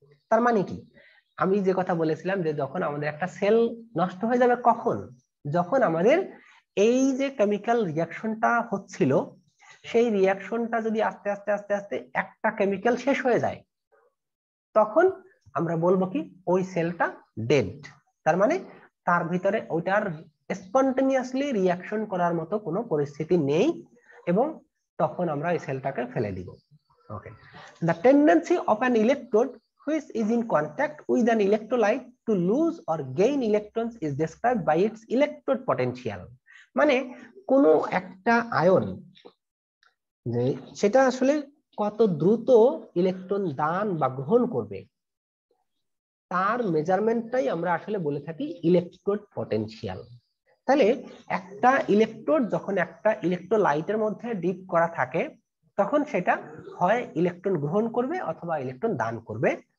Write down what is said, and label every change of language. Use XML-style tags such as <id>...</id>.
<bn>তার মানে কি, আমি যে কথা বলেছিলাম যে যখন আমাদের একটা সেল নষ্ট হয়ে যাবে, কখন, যখন আমাদের এই যে কেমিক্যাল রিয়াকশনটা হচ্ছিল সেই রিয়াকশনটা যদি আস্তে আস্তে আস্তে আস্তে একটা কেমিক্যাল শেষ হয়ে যায়, তখন আমরা বলবো কি ওই সেলটা ডেড। তার মানে তার ভিতরে ওইটার স্পন্টেনিয়াসলি রিয়াকশন করার মতো কোনো পরিস্থিতি নেই, এবং তখন আমরা ওই সেলটাকে ফেলে দিব।</bn> <en>Okay, the tendency of an electrode which is in contact with an electrolyte to lose or gain electrons is described by its electrode potential.</en> <bn>মানে কোনো একটা আয়ন যে সেটা আসলে কত দ্রুত ইলেকট্রন দান বা গ্রহণ করবে, তার মেজারমেন্টটাই আমরা আসলে বলে থাকি ইলেকট্রোড পটেনশিয়াল। তাহলে একটা ইলেকট্রোড যখন একটা ইলেকট্রোলাইটের মধ্যে ডিপ করা থাকে, তখন সেটা হয় ইলেকট্রন গ্রহণ করবে অথবা ইলেকট্রন দান করবে।</bn>